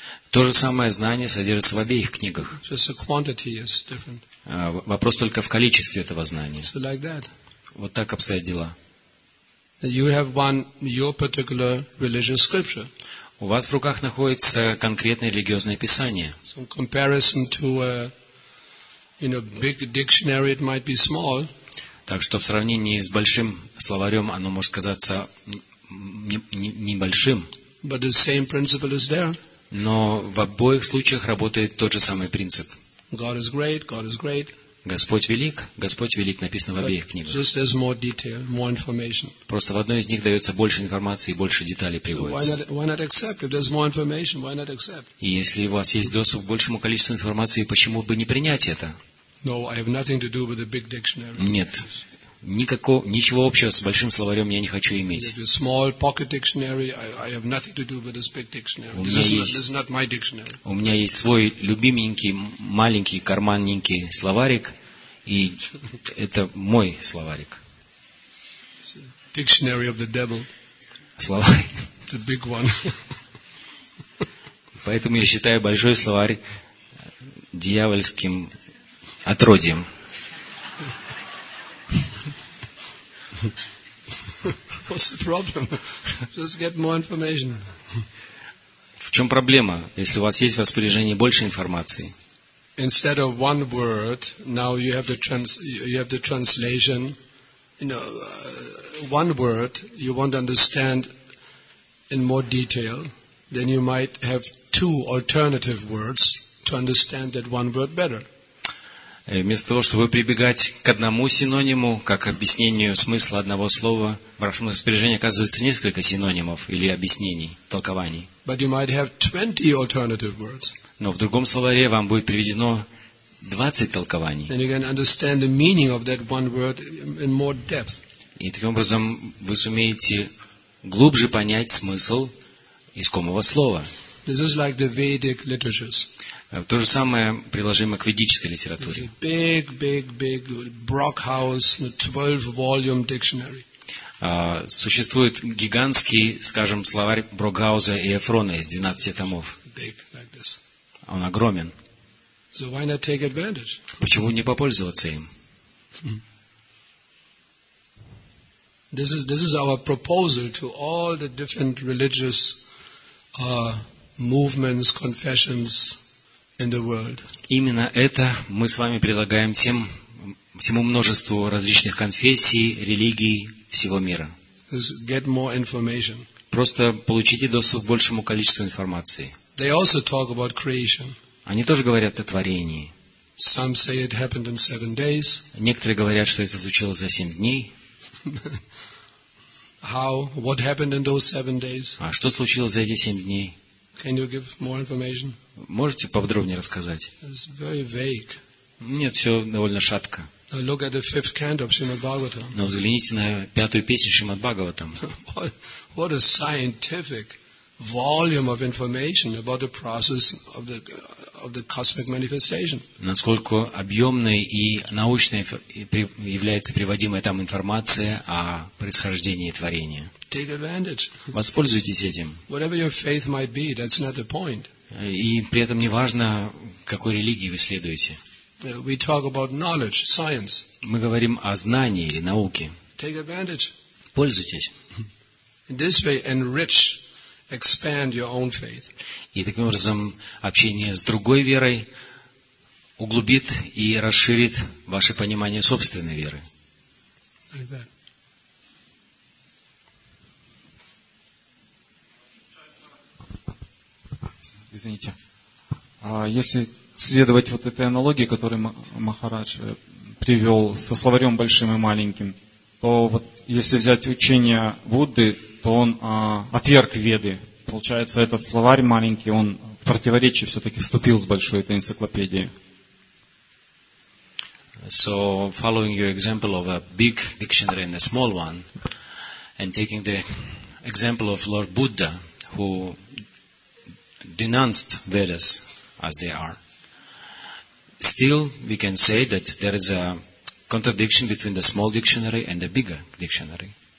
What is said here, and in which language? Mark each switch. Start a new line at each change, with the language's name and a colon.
Russian: То же самое знание содержится в обеих книгах.
English: Just the quantity is different.
Russian: Вопрос только в количестве этого знания.
English: So like that.
Russian: Вот так обстоят дела.
English: You have one, your particular religious scripture.
Russian: У вас в руках находится конкретное религиозное писание.
English: Some comparison to a, you know, big dictionary, it might be small.
Russian: Так что в сравнении с большим словарем оно может казаться небольшим.
English: But the same principle is there.
Russian: Но в обоих случаях работает тот же самый принцип.
English: God is great, God is great.
Russian: Господь велик, написано в обеих книгах.
English: Just there's more detail, more information.
Russian: Просто в одной из них дается больше информации и больше деталей приводится.
English: Why not accept? If there's more information, why not accept?
Russian: И если у вас есть доступ к большему количеству информации, почему бы не принять это?
English: No, I have nothing to do with the big dictionary.
Russian: Нет. Ничего общего с большим словарем я не хочу иметь.
English: If it's a small pocket dictionary, I have nothing to do with this big dictionary. This is not my dictionary.
Russian: У меня есть свой любименький, маленький, карманненький словарик, и это мой словарик.
English: Dictionary of the devil.
Russian: Словарь.
English: The big one.
Russian: Поэтому я считаю большой словарь дьявольским отродьем.
English: What's the problem? Just get more information.
Russian: В чем проблема, если у вас есть в распоряжении больше информации?
English: Instead of one word, now you have the translation. You know, one word you want to understand in more detail, then you might have two alternative words to understand that one word better.
Russian: Вместо того, чтобы прибегать к одному синониму, как объяснению смысла одного слова, в вашем распоряжении оказывается несколько синонимов или объяснений, толкований.
English: But you might have 20 alternative words.
Russian: Но в другом словаре вам будет приведено 20 толкований.
English: And you can understand the meaning of that one word in more depth.
Russian: И таким образом вы сумеете глубже понять смысл искомого слова.
English: This is like the Vedic literatures.
Russian: То же самое приложимо к ведической литературе.
English: Big, big, big Brockhaus, 12-volume dictionary.
Russian: Существует гигантский, скажем, словарь Брокхауза и Эфрона из 12 томов.
English: Big, like this.
Russian: Он огромен.
English: So why not take advantage?
Russian: Почему не попользоваться им?
English: This is our proposal to all the different religious movements, confessions. In the world.
Russian: Именно это мы с вами предлагаем всему множеству различных конфессий, религий всего мира.
English: Get more information.
Russian: Просто получите доступ к большему количеству информации.
English: They also talk about creation.
Russian: Они тоже говорят о творении.
English: Some say it happened in 7 days.
Russian: Некоторые говорят, что это случилось за 7 дней.
English: How? What happened in those 7 days?
Russian: А что случилось за эти 7 дней?
English: Can you give more information?
Russian: Можете поподробнее рассказать?
English: It's very vague.
Russian: Нет, все довольно шатко.
English: Look at the fifth canto of Srimad Bhagavatam.
Russian: Но взгляните на пятую песню Шримад Бхагаватам.
English: What a scientific volume of information about the process of the cosmic manifestation.
Russian: Насколько объемной и научной является приводимая там информация о происхождении творения.
English: Take advantage.
Russian: Воспользуйтесь этим.
English: Whatever your faith might be, that's not the point.
Russian: И при этом не важно, какой религии вы следуете.
English: We talk about knowledge, science.
Russian: Мы говорим о знании или науке.
English: Take advantage.
Russian: Пользуйтесь.
English: In this way, enrich, expand your own faith.
Russian: И таким образом общение с другой верой углубит и расширит ваше понимание собственной веры.
English: Like that.
Russian: Извините. А если следовать вот этой аналогии, которую Махарадж привел со словарем большим и маленьким, то вот если взять учение Будды, то он отверг Веды. Получается, этот словарь маленький, он в противоречие все-таки вступил с большой этой энциклопедией.
English: So following your example of a big dictionary and a small one, and taking the example of Lord Buddha, who denounced Vedas as they are, still we can say that there is a contradiction between the small dictionary and the bigger dictionary.